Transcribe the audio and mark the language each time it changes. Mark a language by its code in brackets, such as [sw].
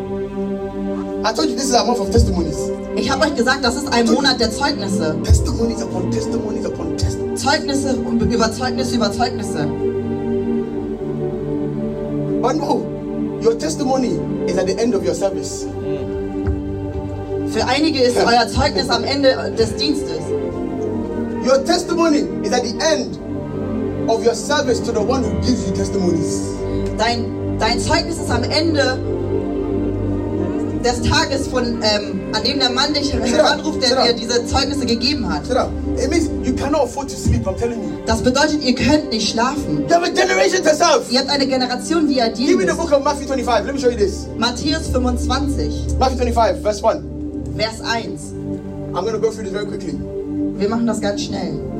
[en] I told you this is a month of testimonies. [de] Ich habe euch gesagt, das ist ein Monat der Zeugnisse. [en] Testimonies upon testimonies upon testimonies. [de] Zeugnisse über Zeugnisse. [en] But no, your testimony is at the end of your service. [de] Für einige ist euer Zeugnis am Ende des Dienstes. [en] Your testimony is at the end of your service to the one who gives you testimonies. [de] Dein Zeugnis ist am Ende des Tages von an dem der Mann dich anruft, der dir diese Zeugnisse gegeben hat. [en] It means you cannot afford to sleep, I'm telling you. [de] Das bedeutet, ihr könnt nicht schlafen. [en] You have a generation to serve. [de] Ihr habt eine Generation, die ihr dient. [en] Give me the book of Matthew 25. Let me show you this. [de] Matthäus 25. [en] Matthew 25, verse 1. [de] Vers 1. [en] I'm going to go through this very quickly. [de] Wir machen das ganz schnell.